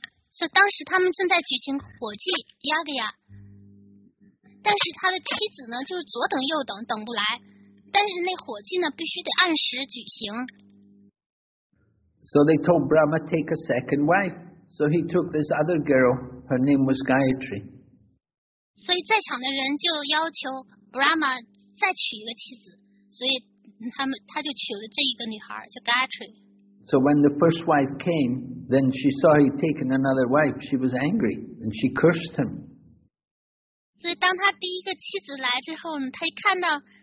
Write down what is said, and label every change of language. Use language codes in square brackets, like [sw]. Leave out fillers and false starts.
[zh] 所以当时他们正在举行火祭 yagya， 但是他的妻子呢，就是左等右等，等不来。但是那火祭呢，必须得按时举行。 [en] So they told Brahma take a second wife. So he took this other girl. Her name was Gayatri. [zh] 所以在场的人就要求 Brahma 再娶一个妻子，所以他就娶了这一个女孩，叫 Gayatri。 [en] So when the first wife came, then she saw he'd taken another wife. She was angry and she cursed him. [zh] 所以当他第一个妻子来之后呢，他一看到。